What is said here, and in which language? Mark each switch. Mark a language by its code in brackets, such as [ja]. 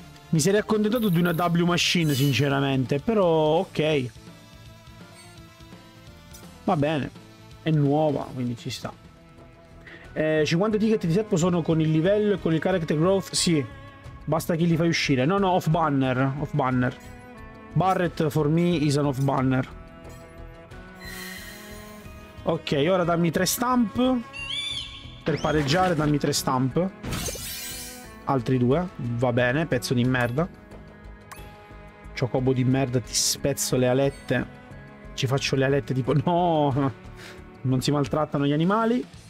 [it] Mi sarei accontentato di una W Machine, sinceramente. Però, ok. Va bene. È nuova, quindi ci sta. 50 ticket di Seppo sono con il livello e con il character growth? Sì. Basta che li fai uscire. No, off-banner. Off-banner. [en] Barrett for me is an off banner. [it] Ok, ora dammi tre stamp. Per pareggiare dammi tre stamp. Altri due. Va bene, pezzo di merda. Ciocobo di merda, ti spezzo le alette. Ci faccio le alette tipo... No! Non si maltrattano gli animali.